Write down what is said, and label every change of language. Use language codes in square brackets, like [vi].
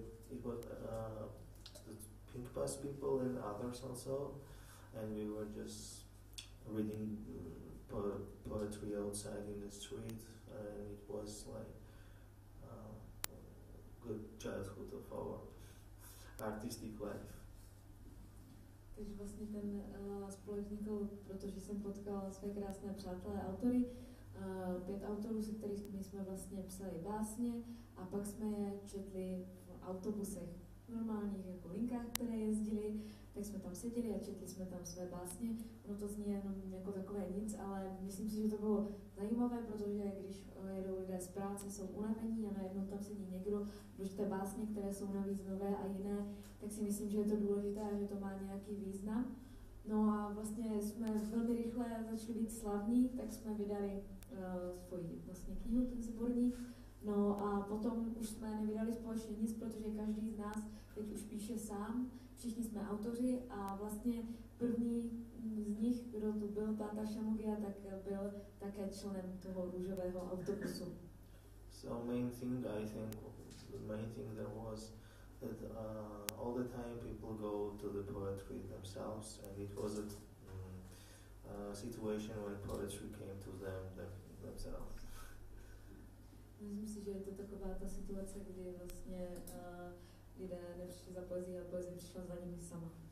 [en] It was the Pink Bus people and others also, and we were just reading poetry outside in the street, and it was like a good childhood of our artistic life. [cs] Takže vlastně ten spolek vznikl, protože jsem potkala své krásné přátelé autory, pět autorů, se kterými jsme vlastně psali básně, a pak jsme je četli v autobusech, v normálních jako linkách, které jezdili, tak jsme tam seděli a četli jsme tam své básně. Ono to zní jenom jako takové nic, ale myslím si, že to bylo zajímavé, protože když jedou lidé z práce, jsou unavení a najednou tam sedí někdo, protože básně, které jsou navíc nové a jiné, tak si myslím, že je to důležité a že to má nějaký význam. No a vlastně jsme velmi rychle začali být slavní, tak jsme vydali svoji vlastně knihu, ten sborník. No a potom už jsme nevydali společně nic, protože každý z nás teď už píše sám, všichni jsme autoři a vlastně první z nich, kdo tu byl, Páta Šamugia, tak byl také členem toho růžového autobusu. [en] So main thing, I think, the main thing there was that all the time people go to the poetry themselves, and it was a situation when poetry came to them themselves. [cs] Myslím si, že je to taková ta situace, kdy vlastně lidé nepřišli za poezí, ale poezí přišla za nimi sama.